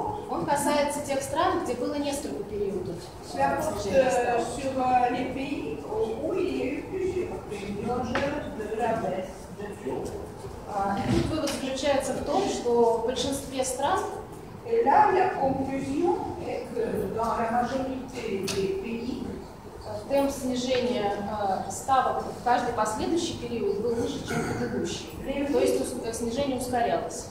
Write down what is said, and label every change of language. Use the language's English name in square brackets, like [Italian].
[Russian] Он касается тех стран, где было несколько периодов снижения ставок. Тут вывод заключается в том, что в большинстве стран. [French] Et là, la conclusion est que dans la majorité des pays, [Russian] темп снижения ставок в каждый последующий период был выше, чем предыдущий. То есть снижение ускорялось.